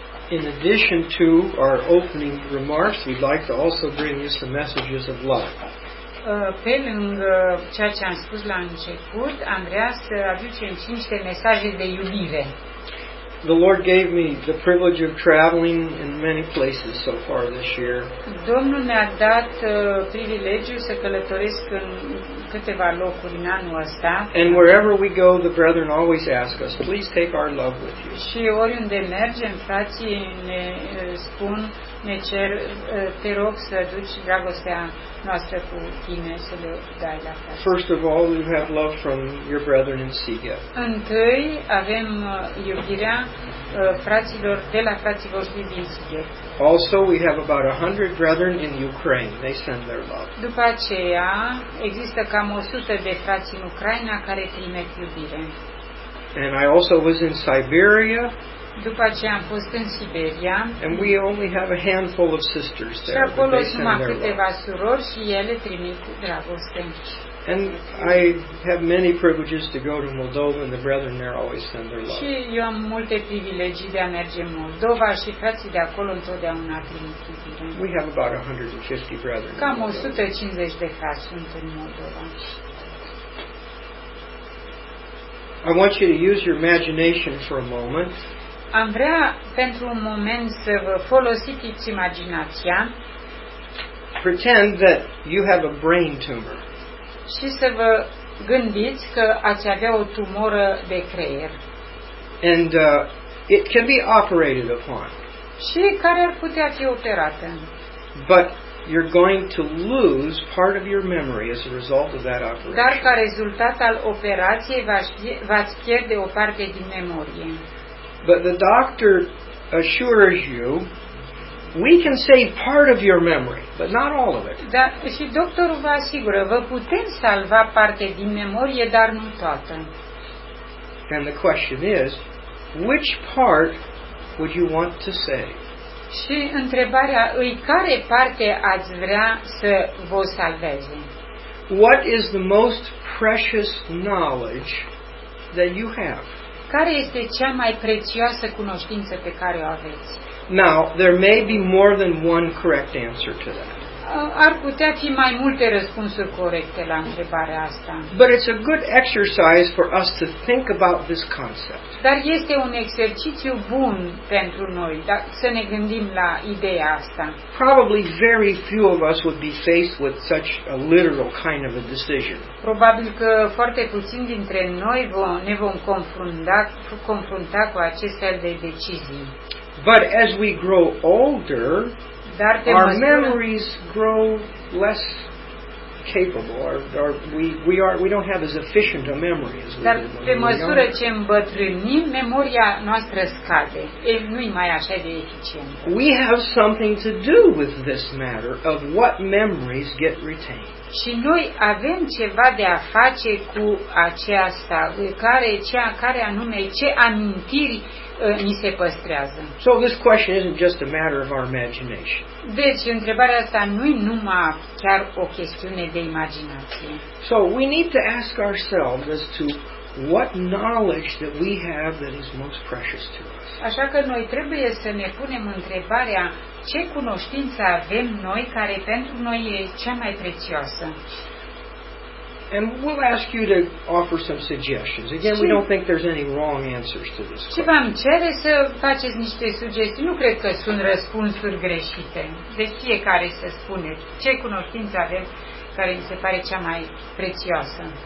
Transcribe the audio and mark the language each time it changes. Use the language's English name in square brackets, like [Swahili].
[English] In addition to our opening remarks, we'd like to also bring you some messages of love. [Romanian] Pe lângă ceea ce am spus la început, Andreas aduce în cinste mesaje de iubire. [English] The Lord gave me the privilege of traveling in many places so far this year. [Romanian] Domnul ne-a dat privilegiul să călătoresc în câteva locuri în anul ăsta. [English] And wherever we go, the brethren always ask us, please take our love with you. [Romanian] Și oriunde mergem, frații ne spun, ne cer, te rog să aduci dragostea noastră cu tine, să le dai la frații. [English] First of all, you have love from your brethren in Siget. [Romanian] Întâi avem iubirea fraților, de la frații voștri din Siget. [English] Also, we have about 100 brethren in Ukraine. They send their love. [Romanian] După aceea, există cam 100 de frați în Ucraina care trimit iubire. [English] And I also was in Siberia. [Romanian] După aceea am fost în Siberia. [English] And we only have a handful of sisters there. [Romanian] Și acolo sunt câteva surori și ele trimit dragoste. [English] And I have many privileges to go to Moldova, and the brethren there always send their love. [Romanian] Și eu am multe privilegii de a merge în Moldova și frații de acolo întotdeauna trimit iubire. [English] We have about 150 brethren. [Romanian] Cam 150 de frați sunt în Moldova. [English] I want you to use your imagination for a moment. [Romanian] Am vrea pentru un moment să vă folosiți imaginația. [English] Pretend that you have a brain tumor. [Romanian] Și să vă gândiți că ați avea o tumoră de creier. [English] And it can be operated upon. [Romanian] Și care ar putea fi operată. [English] But you're going to lose part of your memory as a result of that operation. [Romanian] Dar ca rezultat al operației v-ați pierde o parte din memorie. [English] But the doctor assures you, we can save part of your memory, but not all of it. [Romanian] Da, și doctorul vă asigură, vă putem salva parte din memorie, dar nu toată. [English] And the question is, which part would you want to save? [Romanian] Și întrebarea îi, care parte ați vrea să vă salveze? [English] What is the most precious knowledge that you have? [Romanian] Care este cea mai prețioasă cunoștință pe care o aveți? [English] Now, there may be more than one correct answer to that. [Romanian] Ar putea fi mai multe răspunsuri corecte la întrebarea asta. [English] But it's a good exercise for us to think about this concept. [Romanian] Dar este un exercițiu bun pentru noi, să ne gândim la ideea asta. [English] Probably very few of us would be faced with such a literal kind of a decision. [Romanian] Probabil că foarte puțin dintre noi ne vom confrunta cu acest fel de decizii. [English] But as we grow older, [Romanian] dar [English] our memories grow less capable, we don't have as efficient a memory as we [Romanian] dar [English] did. [Romanian] Pe măsură ce îmbătrânim, memoria noastră scade. Nu e mai așa de eficient. [English] We have something to do with this matter of what memories get retained. [Romanian] Și noi avem ceva de a face cu aceasta, care anume ce amintiri ni se păstrează. [English] So this question isn't just a matter of our imagination. [Romanian] Deci întrebarea asta nu e numai chiar o chestiune de imaginație. [English] So we need to ask ourselves as to what knowledge that we have that is most precious to us. [Romanian] Așa că noi trebuie să ne punem întrebarea ce cunoștință avem noi care pentru noi e cea mai prețioasă. [English] And we'll ask you to offer some suggestions. Again, we don't think there's any wrong answers to this question. [Romanian] Și v-am cere să faceți niște sugestii. Nu cred că sunt răspunsuri greșite. De fiecare să spuneți ce cunoștință avem care îi se pare cea mai prețioasă.